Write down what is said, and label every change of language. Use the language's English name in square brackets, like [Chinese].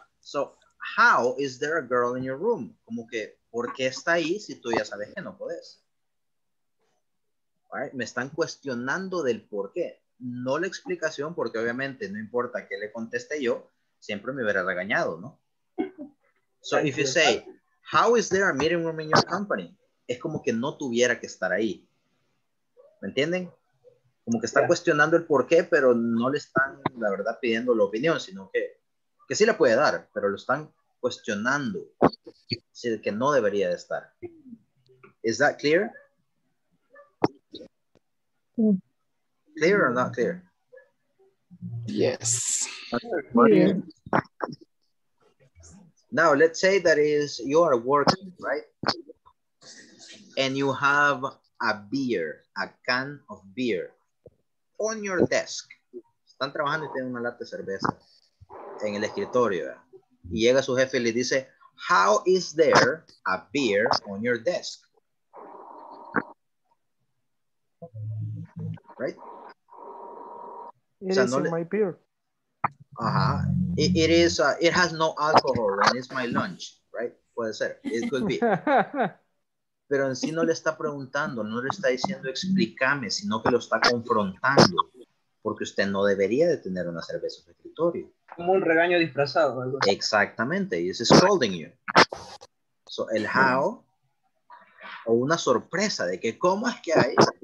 [English] So, how is there a girl in your room? [Spanish] Como que, ¿por qué está ahí si tú ya sabes que no puedes? [English] Right. [Spanish] Me están cuestionando del por qué. No la explicación, porque obviamente no importa qué le conteste yo, siempre me hubiera regañado, ¿no? [English] So if you say, how is there a meeting room in your company? [Spanish] Es como que no tuviera que estar ahí. ¿Me entienden? Como que está cuestionando el por qué, pero no le están, la verdad, pidiendo la opinión, sino que sí la puede dar, pero lo están cuestionando. Es decir, que no debería de estar. [English] Is that clear? Clear or not clear? Yes. Now let's say that is you are working, right? And you have a beer, a can of beer on your desk. [Spanish] Están trabajando y tienen una lata de cerveza en el escritorio. Y llega su jefe y le dice, [English] how is there a beer on your desk? Right? It is my beer. It is, it has no alcohol and it's my lunch, right? [Spanish] Puede ser, [English] it could be. [Spanish] Pero en sí no le está preguntando, no le está diciendo explícame, sino que lo está confrontando. Porque usted no debería de tener una cerveza en su escritorio. Como un regaño disfrazado. Exactamente, [English] he's scolding you. [Spanish] So el how, o una sorpresa de que cómo es que hay...